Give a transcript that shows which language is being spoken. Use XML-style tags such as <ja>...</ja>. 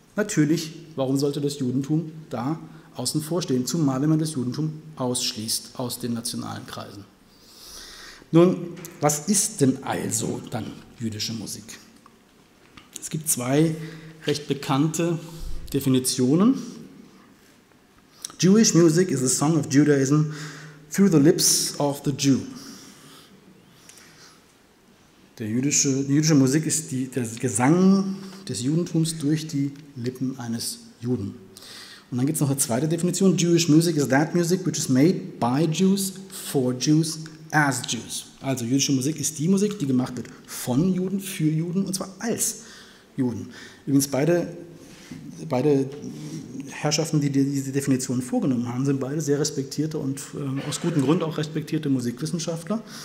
<de>Natürlich, warum sollte das Judentum da außen vor stehen, zumal wenn man das Judentum ausschließt aus den nationalen Kreisen. Nun, was ist denn also dann jüdische Musik? Es gibt zwei recht bekannte Definitionen.</de> <en>Jewish music is a song of Judaism through the lips of the Jew.</en> <de>Die jüdische Musik ist der Gesang des Judentums durch die Lippen eines Juden. Und dann gibt es noch eine zweite Definition.</de> <en>Jewish music is that music which is made by Jews, for Jews, as Jews.</en> <de>Also jüdische Musik ist die Musik, die gemacht wird von Juden, für Juden und zwar als Juden. Übrigens beide Herrschaften, die diese Definition vorgenommen haben, sind beide sehr respektierte und aus gutem Grund auch respektierte Musikwissenschaftler.</de>